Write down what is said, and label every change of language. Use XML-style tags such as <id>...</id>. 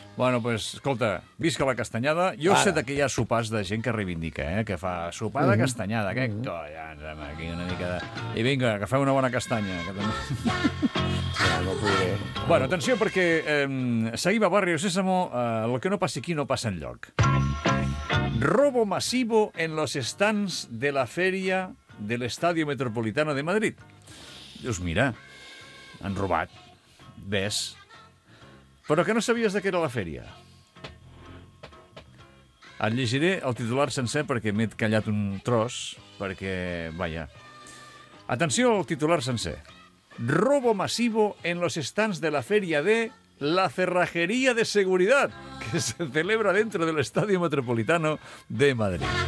<ca>Bueno, pues, escolta, visca la castanyada. Jo sé que hi ha sopars de gent que reivindica, que fa sopar de castanyada. Que collons, home, aquí una mica de... I vinga, agafeu una bona castanya. No podré. Bueno, atenció, perquè seguim a Barrio Sésamo. El que no passa aquí no passa enlloc.</ca> <es>Robo masivo en los stands de la feria... del Estadio Metropolitano de Madrid.</es> <ca>Dius, mira, han robat, ves. Però que no sabies de què era la fèria. Et llegiré el titular sencer perquè m'he callat un tros, perquè, vaja. Atenció al titular sencer.</ca> <es>Robo masivo en los stands de la fèria de la cerrajería de seguridad que se celebra dentro del Estadio Metropolitano de Madrid.</es>